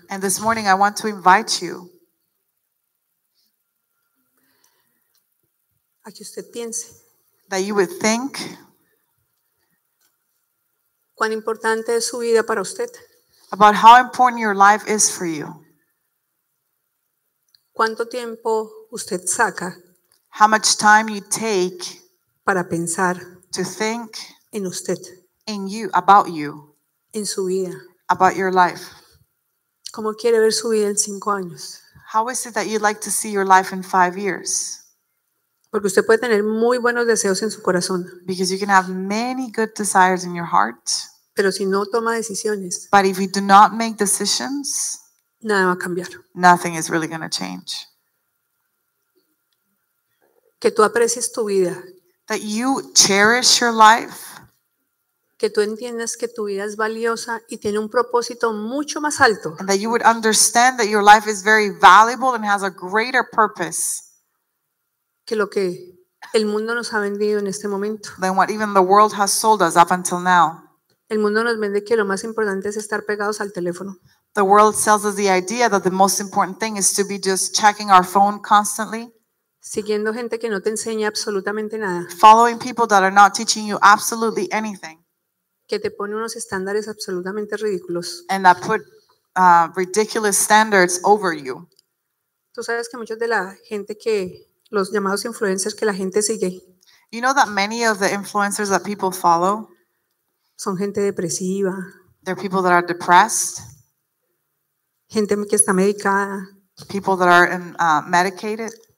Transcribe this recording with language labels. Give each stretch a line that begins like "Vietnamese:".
English: And this morning I want to invite you.
Spanish: A que usted piense.
English: That you would think.
Spanish: Cuán importante es su vida para usted.
English: About how important your life is for you.
Spanish: ¿Cuánto tiempo usted saca?
English: How much time you take
Spanish: para pensar
English: to think
Spanish: en usted,
English: in you, about you,
Spanish: en su vida,
English: about your life.
Spanish: ¿Cómo quiere ver su vida en 5 años?
English: How is it that you'd like to see your life in 5 years?
Spanish: Porque usted puede tener muy buenos deseos en su corazón.
English: Because you can have many good desires in your heart.
Spanish: Pero si no toma decisiones.
English: But if you do not make decisions.
Spanish: Nada va a cambiar.
English: Nothing is really going to change.
Spanish: Que tú aprecies tu vida.
English: That you cherish your life.
Spanish: Que tú entiendas que tu vida es valiosa y tiene un propósito mucho más alto.
English: And that you would understand that your life is very valuable and has a greater purpose.
Spanish: Que lo que el mundo nos ha vendido en este momento.
English: Than what even the world has sold us up until now.
Spanish: El mundo nos vende que lo más importante es estar pegados al teléfono.
English: The world sells us the idea that the most important thing is to be just checking our phone constantly.
Spanish: Siguiendo gente que no te enseña absolutamente nada.
English: Following people that are not teaching you absolutely anything.
Spanish: Que te pone unos estándares absolutamente ridículos.
English: And that put ridiculous standards over you.
Spanish: Tú sabes que muchos de la gente que los llamados influencers que la gente sigue.
English: You know that many of the influencers that people follow.
Spanish: Son gente depresiva.
English: They're people that are depressed.
Spanish: Gente que está medicada.
English: People that are medicated.